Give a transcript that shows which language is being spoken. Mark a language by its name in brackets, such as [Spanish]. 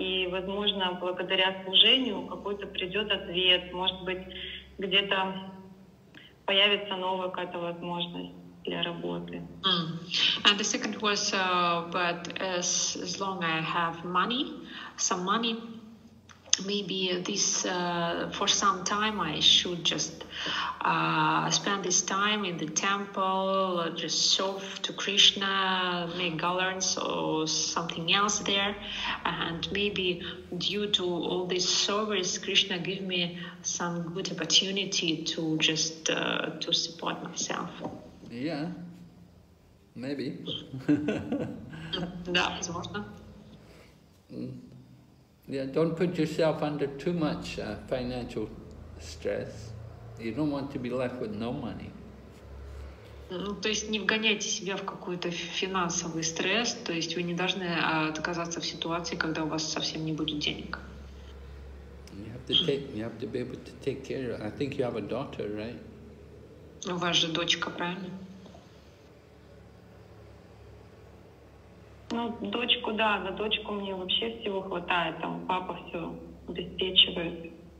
[Russian] И, возможно, благодаря служению какой-то придет ответ, может быть, где-то появится новая какая-то возможность для работы. [English] And the second was, but as long I have money, some money, maybe this for some time I should just spend this time in the temple, just serve to Krishna, make garlands or something else there, and maybe due to all this service, Krishna give me some good opportunity to just to support myself. Yeah, maybe. [Russian] Да, возможно. [English] Yeah, don't put yourself under too much financial stress. You don't want to be left with no money. [Russian] Ну, то есть не вгоняйте себя в какой-то финансовый стресс, то есть вы не должны отказаться в ситуации, когда у вас совсем не будет денег. [English] You have to be able to take care of. I think you have a daughter, right? [Russian] У вас же дочка, правильно? Ну, дочку, да, за дочку мне вообще всего хватает, там папа все обеспечивает.